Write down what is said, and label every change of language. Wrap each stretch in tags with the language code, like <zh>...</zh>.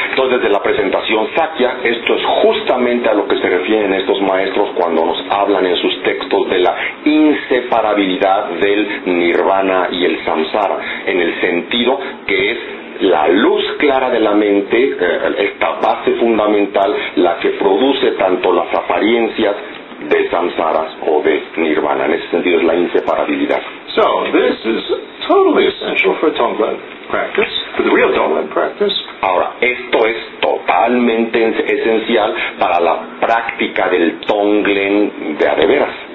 <es>Entonces, de la presentación Sakya, esto es justamente a lo que se refieren estos maestros cuando nos hablan en sus textos de la inseparabilidad del nirvana y el samsara, en el sentido que es la luz clara de la mente, esta base fundamental, la que produce tanto las apariencias de samsaras o de nirvana. En ese sentido es la inseparabilidad.</es> <en>So, this is totally essential for Tonglen practice, for the real Tonglen practice.</en> <es>Ahora, esto es totalmente esencial para la práctica del Tonglen de veras.</es>